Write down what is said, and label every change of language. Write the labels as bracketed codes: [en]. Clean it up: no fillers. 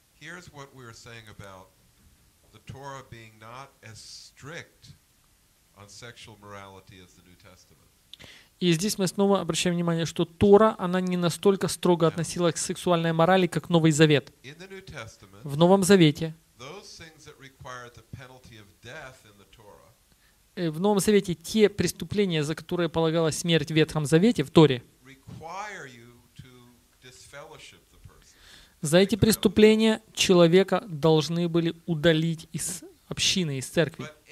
[en] Here's what we're saying about Torah being not as strict on sexual morality as the New Testament. [ru] И здесь мы снова обращаем внимание, что Тора, она не настолько строго относилась к сексуальной морали, как Новый Завет. [en] In the New Testament, [ru] в Новом Завете, [en] those things that require the penalty of death in the Torah, [ru] в Новом Завете те преступления, за которые полагалась смерть в Ветхом Завете, в Торе, [en] require you to disfellowship the person. [ru] За эти преступления человека должны были удалить из общины, из церкви.